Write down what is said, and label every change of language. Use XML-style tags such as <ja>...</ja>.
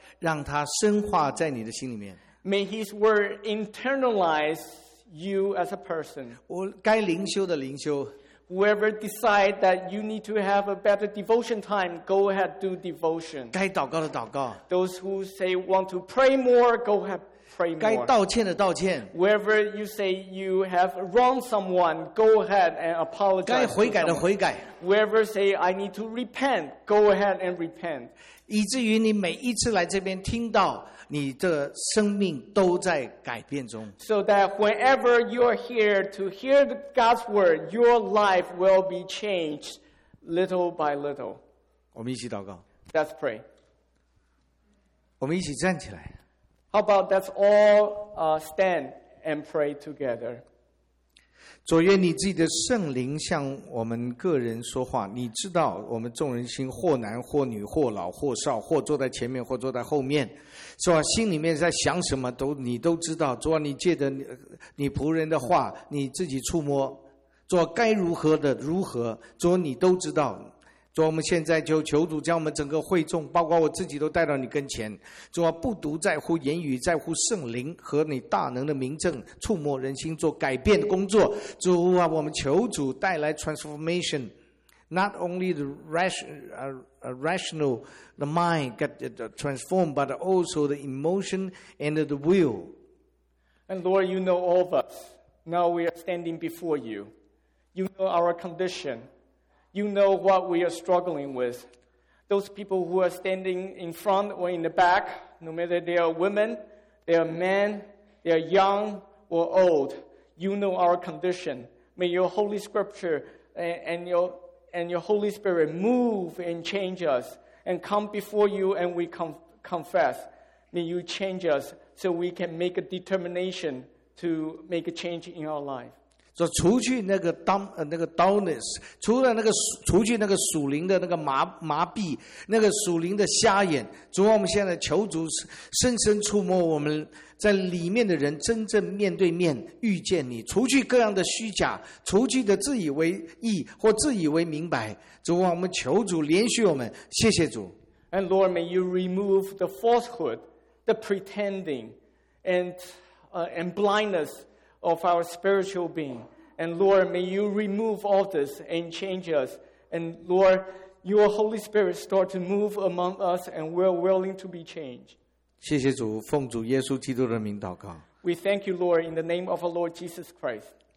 <zh>让它深化在你的心里面。</zh> <en>May His word internalize you as a person.</en> <zh>我该灵修的灵修。</zh> <en>Whoever decides that you need to have a better devotion time, go ahead, do devotion.</en> <zh>该祷告的祷告。</zh> <en>Those who say want to pray more, go ahead, pray more.</en> <zh>该道歉的道歉。</zh> <en>Whoever you say you have wronged someone, go ahead and apologize.</en> <zh>该悔改的悔改。</zh> <en>Whoever say I need to repent, go ahead and repent.</en> <zh>以至于你每一次来这边听到你的生命都在改变中。</zh> <en>So that whenever you are here to hear God's word, your life will be changed little by little.</en> <zh>我们一起祷告。</zh> <en>Let's pray.</en> <zh>我们一起站起来。</zh> <en>How about let's all stand and pray together?</en> <zh>主，愿你自己的圣灵向我们个人说话。你知道我们众人心，或男或女，或老或少，或坐在前面，或坐在后面。主啊，心里面在想什么都你都知道。主啊，你借着 你仆人的话，你自己触摸。主啊，该如何的如何，主啊，你都知道。主啊，我们现在就求主将我们整个会众，包括我自己都带到你跟前。主啊，不独在乎言语，在乎圣灵和你大能的名证，触摸人心，做改变的工作。主啊，我们求主带来 transformation。</zh> <en>Not only the rational, the mind get transformed, but also the emotion and the will. And Lord, you know all of us. Now we are standing before you. You know our condition. You know what we are struggling with. Those people who are standing in front or in the back, no matter they are women, they are men, they are young or old, you know our condition. May your Holy Scripture and your Holy Spirit move and change us and come before you and we confess. May you change us so we can make a determination to make a change in our life.</en> <zh>说除去那个 dullness, 除了那个除去那个属灵的那个麻痹那个属灵的瞎眼，主我们现在求主深深触摸我们在里面的人，真正面对面遇见你，除去各样的虚假，除去的自以为义或自以为明白。主啊，我们求主怜恤我们，谢谢主。</zh> <en>And Lord, may you remove the falsehood, the pretending, and blindness of our spiritual being. And Lord, may you remove all this and change us. And Lord, your Holy Spirit start to move among us, and we're willing to be changed.</en> <zh>谢谢主，奉主耶稣基督的名祷告。</zh> <en>We thank you, Lord, in the name of our Lord Jesus Christ.</en>